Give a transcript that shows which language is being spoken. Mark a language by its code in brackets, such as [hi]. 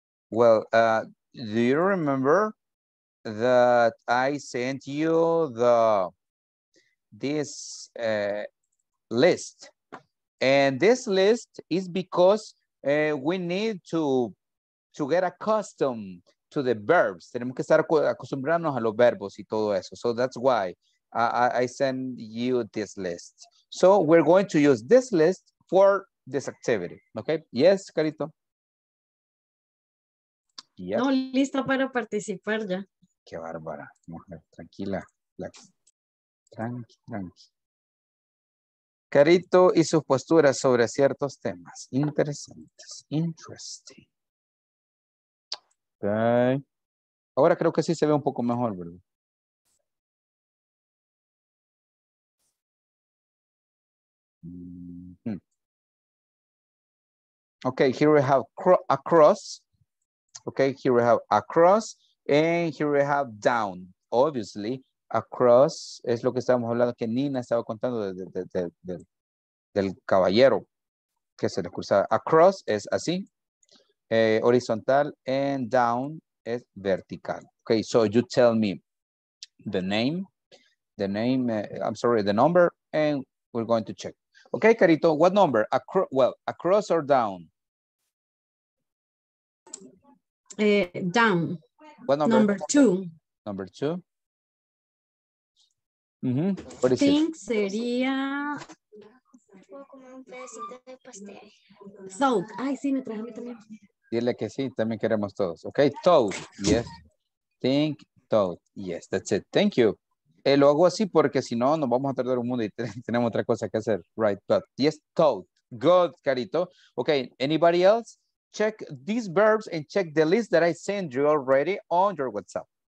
[en] Well, do you remember that I sent you this list? And this list is because we need to get accustomed to the verbs. [es] Tenemos que estar acostumbrarnos a los verbos y todo eso. [en] So that's why I send you this list. So we're going to use this list for this activity. Okay? Yes, Carito. [es] Yep. No, listo para participar ya. Qué bárbara, mujer. Tranquila. Tranqui. Carito y sus posturas sobre ciertos temas. Interesantes. Interesting. Okay. Ahora creo que sí se ve un poco mejor, ¿verdad? [en] Mm-hmm. Okay, here we have across. Okay, here we have across and here we have down. [es] Obviously, across es lo que estábamos hablando, que Nina estaba contando del caballero que se le cruzaba. Across es así, horizontal, [en] and down [es] es vertical. [en] Okay, so you tell me the name, I'm sorry, the number, and we're going to check. Okay, Carito, what number? Across or down? Down. What number? Number two. Mm-hmm. What is it? Think sería. [es] Soak. Ay, sí, me traje también. Dile que sí, también queremos todos. [en] Okay, toad. Yes. Think toad. Yes, that's it. Thank you. [es] Lo hago así porque si no, nos vamos a tardar un mundo y tenemos otra cosa que hacer. [en] Right, but yes, toad. Good, Carito. Okay, anybody else? Check these verbs and check the list that I sent you already on your WhatsApp.